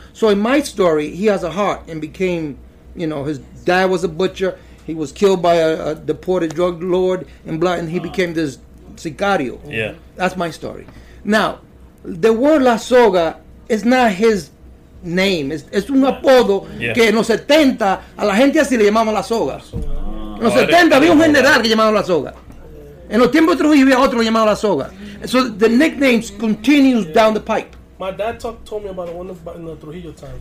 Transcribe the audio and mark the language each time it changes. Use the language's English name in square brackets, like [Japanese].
[English] So in my story, he has a heart and became, you know, his dad was a butcher. He was killed by a deported drug lord and blah, and he became this sicario. Yeah. That's my story. Now, the word La Soga is not his name. [Spanish] It's un apodo que en los 70 a la gente así le llamaban La Soga. En los 70 había un general que llamaban La Soga. En los tiempos otro vivía otro llamado La Soga. [English] So the nicknames continues down the pipe. My dad told me about one in the Trujillo time.